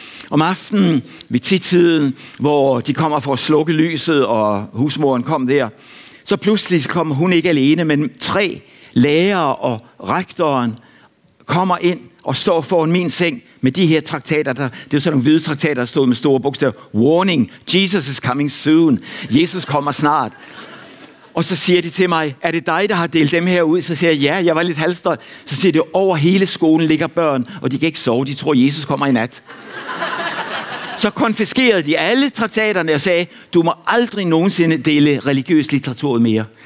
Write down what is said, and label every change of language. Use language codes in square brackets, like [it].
[da] Om aftenen, ved tidtiden, hvor de kommer for at slukke lyset, og husmoren kom der, så pludselig kommer hun ikke alene, men 3 lærere og rektoren kommer ind og står foran min seng med de her traktater. Det er sådan nogle hvide traktater, der stod med store bogstaver. [en] Warning, Jesus is coming soon. [da] Jesus kommer snart. Og så siger de til mig, er det dig, der har delt dem her ud? Så siger jeg, ja, jeg var lidt halvstolt. Så siger de, over hele skolen ligger børn, og de kan ikke sove. De tror, Jesus kommer i nat. Så konfiskerede de alle traktaterne og sagde, du må aldrig nogensinde dele religiøs litteratur mere.